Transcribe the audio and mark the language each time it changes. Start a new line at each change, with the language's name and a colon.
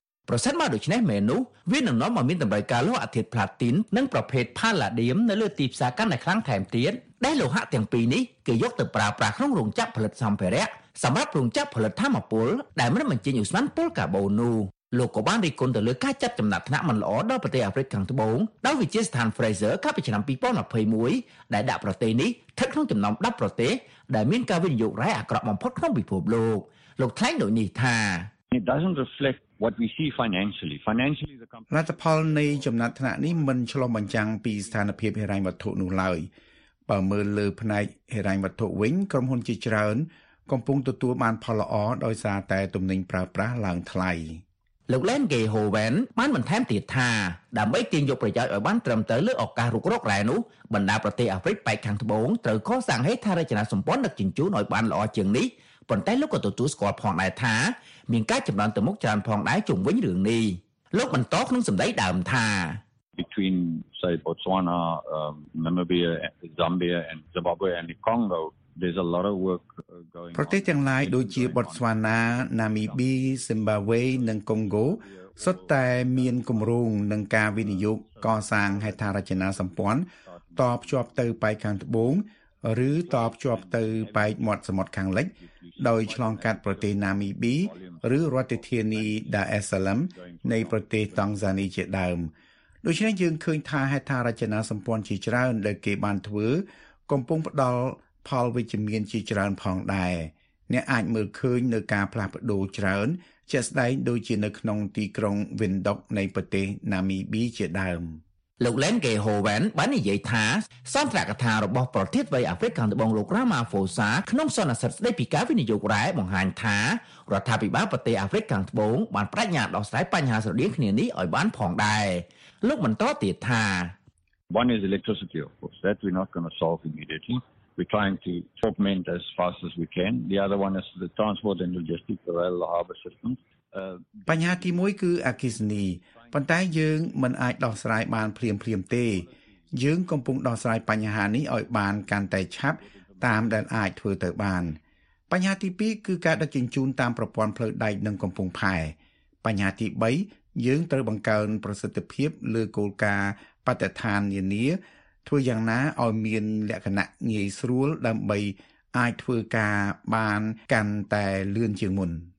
Khmer: ប្រសិនបើដូច្នេះមែននោះវានឹងនាំមកមានតម្រូវការលោហៈធាតុផ្លាទីននិងប្រភេទផាឡាឌីមនៅលើទីផ្សារកាន់តែខ្លាំងថែមទៀតដែលលោហៈទាំងពីរនេះគេយកទៅប្រើប្រាស់ក្នុងរោងចក្រផលិតសម្ភារៈសម្រាប់រោងចក្រផលិតថាមពលដែលមានបញ្ចេញឧស្ម័នពុលកាបូននោះលោកក៏បានរីកគុណទៅលើការចាត់ចំណាត់ថ្នាក់មិនល្អដល់ប្រទេសអាហ្វ្រិកខាងត្បូងដោយវិទ្យាស្ថាន Fraser កាលពីឆ្នាំ2021ដែលដាក់ប្រទេសនេះស្ថិតក្នុងចំណោម10ប្រទេសដែលមានការវិនិយោគរ៉ែអាក្រក់បំផុតក្នុងពិភពលោកលោកថ្លែងដូចនេះថា
English: It doesn't reflect what we see financially. Financially the company
Khmer: រដ្ឋផលនៃចំណាត់ថ្នាក់នេះមិនឆ្លុះបញ្ចាំងពីស្ថានភាពហិរញ្ញវត្ថុនោះឡើយបើមើលលើផ្នែកហិរញ្ញវត្ថុវិញក្រុមហ៊ុនជាច្រើនកំពុងទទួលបានផលល្អដោយសារតែទំនិញប្រើប្រាស់ឡើងថ្លៃ លោក Len Gehoven បានបន្ថែមទៀតថាដើម្បីទាញយកប្រយោជន៍ឲ្យបានត្រឹមត្រូវលើឱកាសរុករករ៉ែនោះបណ្ដាប្រទេសអាហ្វ្រិកប៉ែកខាងត្បូងត្រូវកសាងហេដ្ឋារចនាសម្ព័ន្ធដឹកជញ្ជូនឲ្យបានល្អជាងនេះប៉ុន្តែលោកក៏ទទួលស្គាល់ផងដែរថាមានការចម្រើនទៅមុខច្រើនផងដែរជុំវិញរឿងនេះលោកបន្តក្នុងសម្ដីដើមថា
English: Between say Botswana, Namibia, Zambia and Zimbabwe and the Congo there's a lot of work going on
Khmer: ប្រទេសទាំងឡាយដូចជាបតស្វ៉ាណា Namibi, Zimbabwe និង Congo សុទ្ធតែមានគម្រោងនឹងការវិនិយោគកសាងហេដ្ឋារចនាសម្ព័ន្ធតភ្ជាប់ទៅប៉ែកខាងត្បូង ឬតភ្ជាប់ទៅប៉ែកមាត់សមុទ្រខាងលិចដោយឆ្លងកាត់ប្រទេស Namibi ឬរដ្ឋធានី Dar es Salaam នៃប្រទេស Tanzania ជាដើមដូច្នេះយើងឃើញថាហេដ្ឋារចនាសម្ព័ន្ធជាច្រើនដែលគេបានធ្វើកំពុងផ្ដល់ផលវិជ្ជមានជាច្រើនផងដែរអ្នកអាចមើលឃើញនៅការផ្លាស់ប្ដូរច្រើនជាក់ស្ដែងដូចជានៅក្នុងទីក្រុងវិនដុកនៃប្រទេសណាមីប៊ីជាដើម លោក Len Gehoven បាននិយាយថាសន្ទរកថារបស់ប្រធានវៃអាហ្វ្រិកខាងត្បូងលោក Ramaphosa ក្នុងសន្និសីទស្ដីពីការវិនិយោគរ៉ែបង្ហាញថារដ្ឋាភិបាលប្រទេសអាហ្វ្រិកខាងត្បូងបានប្រាជ្ញាដោះស្រាយបញ្ហាស្រដៀងគ្នានេះឲ្យបានផងដែរលោកបន្តទៀតថា
English: One is electricity of course that we're not going to solve immediately. We're trying to augment as fast as we can. The other one is the transport and logistics of all the harbour systems.
Khmer: បញ្ហាទីមួយគឺអគ្គិសនីប៉ុន្តែយើងមិនអាចដោះស្រាយបានភ្លាមៗទេយើងកំពុងដោះស្រាយបញ្ហានេះឲ្យបានកាន់តែឆាប់តាមដែលអាចធ្វើទៅបានបញ្ហាទី2គឺការដឹកជញ្ជូនតាមប្រព័ន្ធផ្លូវដែកនិងកំពង់ផែបញ្ហាទី3យើងត្រូវបង្កើនប្រសិទ្ធភាពលើគោលការណ៍បទដ្ឋាននានាទោះយ៉ាងណាឲ្យមានលក្ខណៈងាយស្រួលដើម្បីអាចធ្វើការបានកាន់តែលឿនជាងមុន